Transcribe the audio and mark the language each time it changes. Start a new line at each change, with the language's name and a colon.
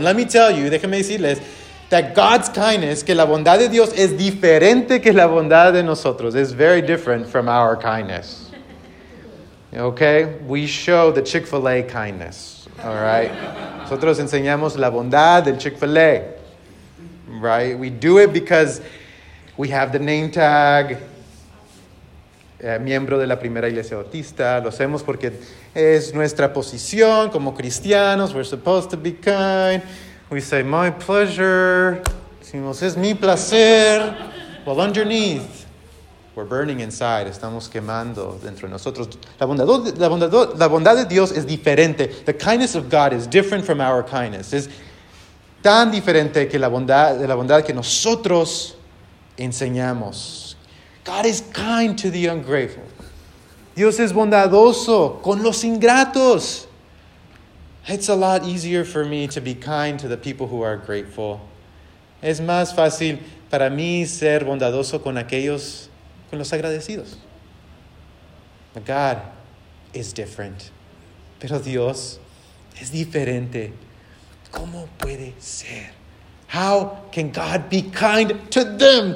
English: And let me tell you,
Spanish: déjenme decirles,
English: that God's kindness,
Spanish: que la bondad de Dios es diferente que la bondad de nosotros.
English: It's very different from our kindness. Okay? We show the Chick-fil-A kindness. All right?
Spanish: Nosotros enseñamos la bondad del Chick-fil-A.
English: Right? We do it because we have the name tag.
Spanish: Miembro de la primera iglesia bautista. Lo hacemos porque es nuestra posición como cristianos.
English: We're supposed to be kind. We say, my pleasure.
Spanish: Decimos, es mi placer.
English: Well, underneath, we're burning inside.
Spanish: Estamos quemando dentro de nosotros. La bondad de Dios es diferente.
English: The kindness of God is different from our kindness.
Spanish: Es tan diferente que la bondad que nosotros enseñamos.
English: God is kind to the ungrateful.
Spanish: Dios es bondadoso con los ingratos.
English: It's a lot easier for me to be kind to the people who are grateful.
Spanish: Es más fácil para mí ser bondadoso con aquellos, con los agradecidos.
English: But God is different.
Spanish: Pero Dios es diferente. ¿Cómo puede ser?
English: How can God be kind to them?